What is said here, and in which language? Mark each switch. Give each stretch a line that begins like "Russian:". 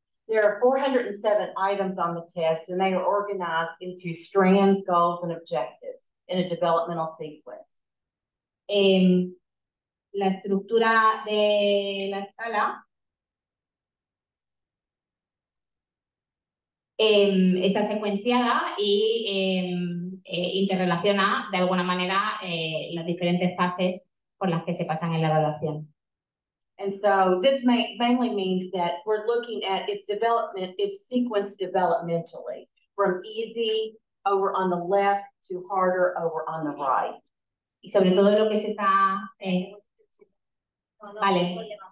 English: There are 407 items on the test, and they are organized into strands, goals, and objectives. in a developmental sequence.
Spanish: La estructura de la escala está secuenciada y interrelaciona de alguna manera las diferentes fases por las que se pasan en la evaluación.
English: And so this mainly means that we're looking at its development, its sequence developmentally, from easy over on the left to harder over on the right.
Spanish: Y sobre todo lo que se está vale.